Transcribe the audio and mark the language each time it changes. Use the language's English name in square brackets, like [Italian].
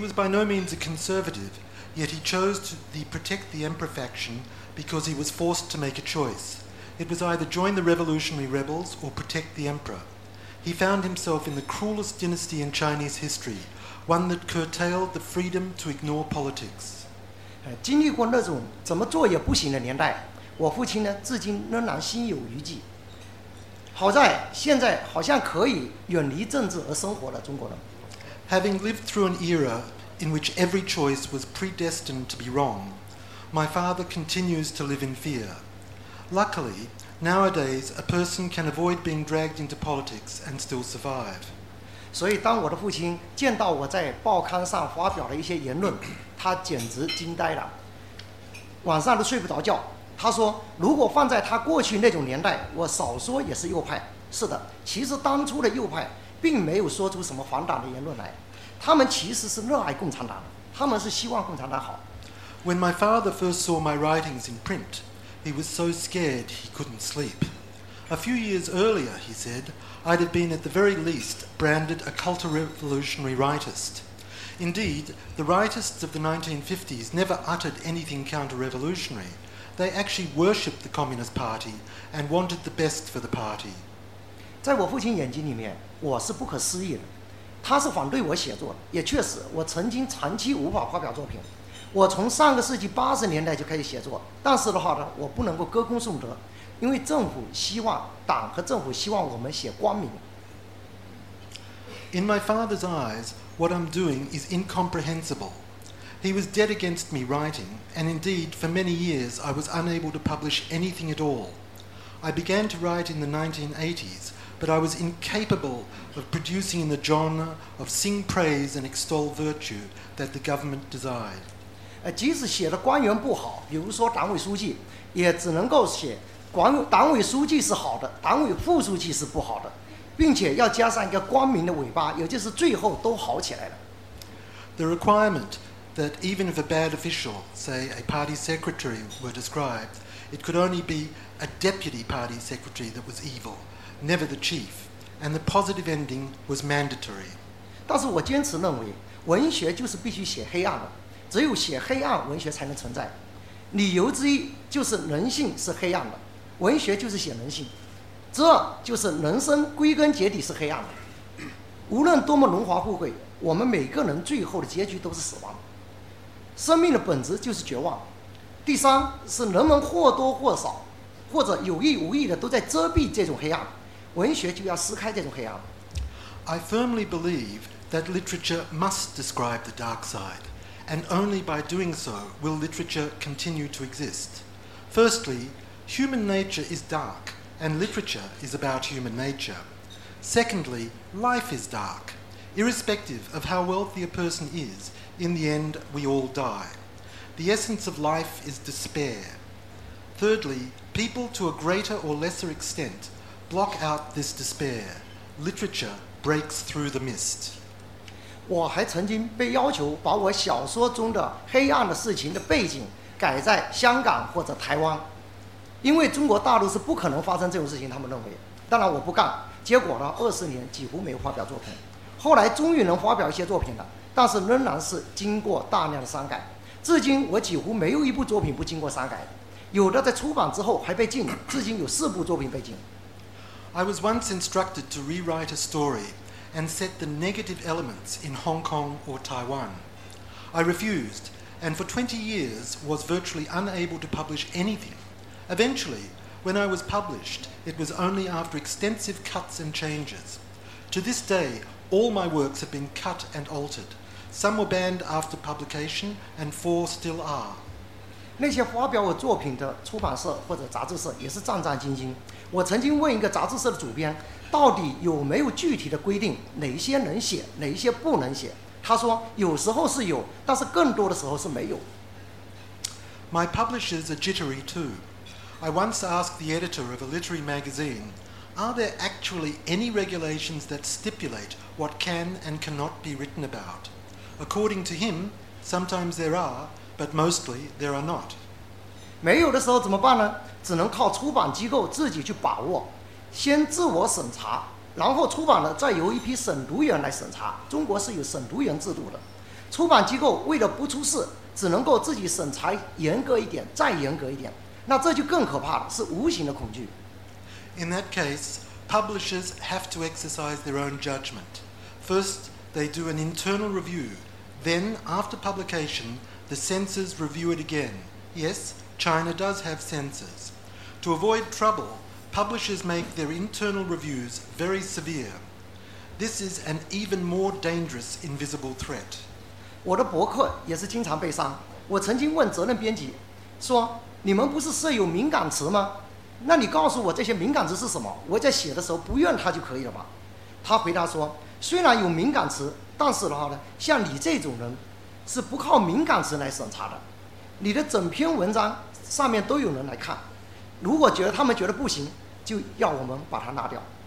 [English] was by no means a conservative, yet he chose to protect the Emperor faction because he was forced to make a choice. It was either join the revolutionary rebels or protect the Emperor. He found himself in the cruelest dynasty in Chinese history, one that curtailed the freedom to ignore politics. [Chinese] 经历过那种怎么做也不行的年代，我父亲呢，至今仍然心有余悸。好在现在好像可以远离政治而生活了，中国人。 [English] Having lived through an era in which every choice was predestined to be wrong, my father continues to live in fear. Luckily, nowadays, a person can avoid being dragged into politics and still survive. [Chinese] 所以当我的父亲见到我在报刊上发表了一些言论，他简直惊呆了，晚上都睡不着觉。他说，如果放在他过去那种年代，我少说也是右派。是的，其实当初的右派并没有说出什么反党的言论来，他们其实是热爱共产党，他们是希望共产党好。 [English] When my father first saw my writings in print, he was so scared he couldn't sleep. A few years earlier, he said, I'd have been at the very least branded a cultural-revolutionary rightist. Indeed, the rightists of the 1950s never uttered anything counter-revolutionary. They actually worshipped the Communist Party and wanted the best for the party. [Chinese] 在我父亲眼睛里面，我是不可思议的。他是反对我写作，也确实，我曾经长期无法发表作品。我从上个世纪八十年代就开始写作，但是的话呢，我不能够歌功颂德，因为政府希望，党和政府希望我们写光明。 [English] In my father's eyes, what I'm doing is incomprehensible. He was dead against me writing, and indeed, for many years, I was unable to publish anything at all. I began to write in the 1980s, but I was incapable of producing in the genre of sing praise and extol virtue that the government desired. [Chinese] 即使写的官员不好，比如说党委书记，也只能够写党委书记是好的，党委副书记是不好的，并且要加上一个光明的尾巴，也就是最后都好起来了。 [English] The requirement that even if a bad official, say a party secretary, were described, it could only be a deputy party secretary that was evil, never the chief, and the positive ending was mandatory. [Chinese] 但是我坚持认为，文学就是必须写黑暗的，只有写黑暗，文学才能存在。理由之一就是人性是黑暗的，文学就是写人性，这就是人生归根结底是黑暗的。无论多么荣华富贵，我们每个人最后的结局都是死亡，生命的本质就是绝望。第三是人们或多或少或者有意无意的都在遮蔽这种黑暗，文学就要撕开这种黑暗。 [English] I firmly believe that literature must describe the dark side, and only by doing so will literature continue to exist. Firstly, human nature is dark, and literature is about human nature. Secondly, life is dark. Irrespective of how wealthy a person is, in the end, we all die. The essence of life is despair. Thirdly, people to a greater or lesser extent block out this despair. Literature breaks through the mist. [Chinese] 我还曾经被要求把我小说中的黑暗的事情的背景改在香港或者台湾，因为中国大陆是不可能发生这种事情，他们认为。当然我不干，结果呢，二十年几乎没有发表作品。后来终于能发表一些作品了，但是仍然是经过大量的删改。至今我几乎没有一部作品不经过删改，有的在出版之后还被禁，至今有四部作品被禁。 [English] I was once instructed to rewrite a story and set the negative elements in Hong Kong or Taiwan. I refused, and for 20 years was virtually unable to publish anything. Eventually, when I was published, it was only after extensive cuts and changes. To this day, all my works have been cut and altered. Some were banned after publication, and four still are. [Chinese] 那些发表我作品的出版社或者杂志社也是战战兢兢。我曾经问一个杂志社的主编，到底有没有具体的规定，哪一些能写，哪一些不能写？他说，有时候是有，但是更多的时候是没有。 [English] My publishers are jittery too. I once asked the editor of a literary magazine, "Are there actually any regulations that stipulate what can and cannot be written about?" According to him, sometimes there are, but mostly there are not. [Chinese] 没有的时候怎么办呢？只能靠出版机构自己去把握。先自我审查，然后出版了再由一批审读员来审查。中国是有审读员制度的，出版机构为了不出事，只能够自己审查严格一点，再严格一点，那这就更可怕了，是无形的恐惧。 [English] In that case, publishers have to exercise their own judgment. First, they do an internal review. Then, after publication, the censors review it again. Yes, China does have censors. To avoid trouble,publishers make their internal reviews very severe. This is an even more dangerous invisible threat. [Chinese] 我的博客也是经常被删。我曾经问责任编辑说，你们不是设有敏感词吗？那你告诉我这些敏感词是什么，我在写的时候不用它就可以了吧。他回答说，虽然有敏感词，但是的话呢，像你这种人是不靠敏感词来审查的，你的整篇文章上面都有人来看，如果觉得他们觉得不行，就要我们把它拿掉。